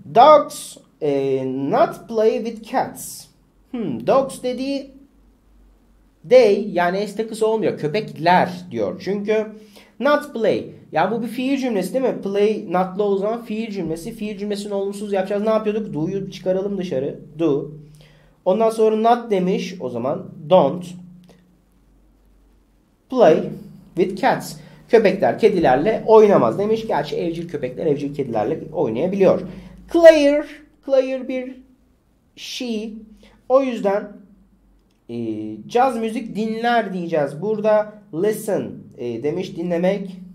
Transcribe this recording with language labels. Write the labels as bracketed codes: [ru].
[en] Dogs not play with cats. [tr] Dogs dediği they, yani S takısı olmuyor. Köpekler diyor. Çünkü not play. Ya bu bir fiil cümlesi değil mi? Play not'la o zaman fiil cümlesi. Fiil cümlesini olumsuz yapacağız. Ne yapıyorduk? Do'yu çıkaralım dışarı. Do. Ondan sonra not demiş. O zaman [en] don't play with cats. [tr] Köpekler kedilerle oynamaz demiş. Gerçi evcil köpekler evcil kedilerle oynayabiliyor. Claire. Claire bir she. O yüzden caz müzik dinler diyeceğiz. Burada listen demiş, dinlemek.